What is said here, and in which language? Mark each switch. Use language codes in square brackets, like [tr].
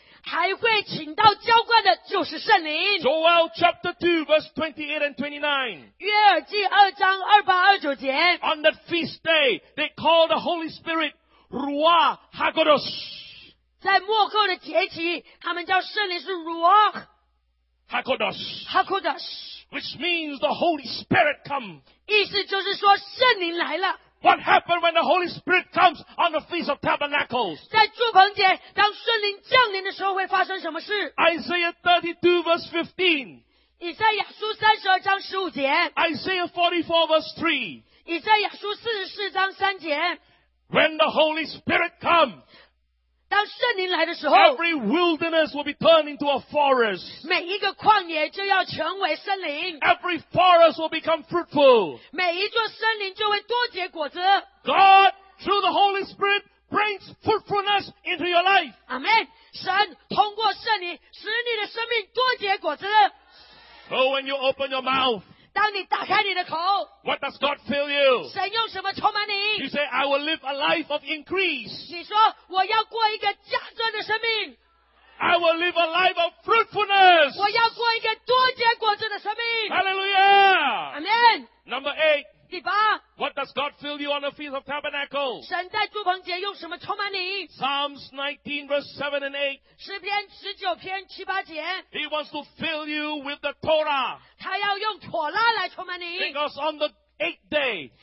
[zh] 还会请到浇灌的就是圣灵 [en] Joel chapter 2 verse 28 and 29 [zh] 约珥记二章二八二九节 [en] On that feast day they call the Holy Spirit Ruach HaKodesh [zh] 在末后的节期他们叫圣灵是 Ruach [en] Hakodesh, which means the Holy Spirit come. [zh] 意思就是说圣灵来了。 [en] What happened when the Holy Spirit comes on the Feast of Tabernacles? [zh] 在祝棚节，当圣灵降临的时候会发生什么事？ [en] Isaiah 32 verse 15. [zh] 以赛亚书32章15节。 [en] Isaiah 44 verse 3. [zh] 以赛亚书44章3节。 [en] When the Holy Spirit come. [zh] 当圣灵来的时候 [en] Every wilderness will be turned into a forest. [zh] 每一个旷野就要成为森林 [en] Every forest will become fruitful. [zh] 每一座森林就会多结果子 [en] God, through the Holy Spirit, brings fruitfulness into your life. Amen. [zh] 神通过圣灵使你的生命多结果子 [en] So when you open your mouth, [zh] 当你打开你的口 [en] What does God fill you? [zh] 神用什么充满你 [en] You say, I will live a life of increase. [zh] 你说我要过一个加增的生命 [en] I will live a life of fruitfulness. [zh] 我要过一个多结果子的生命 [en] Hallelujah! Amen! Number eight. [zh] 第八, [en] what does God fill you on the Feast of Tabernacles? [zh] 神在祝棚节用什么充满你? [en] Psalms 19 verse 7 and 8. [zh] 诗篇19篇7-8节, [en] He wants to fill you with the Torah. [zh] 他要用妥拉来充满你, [en] because on the eighth day,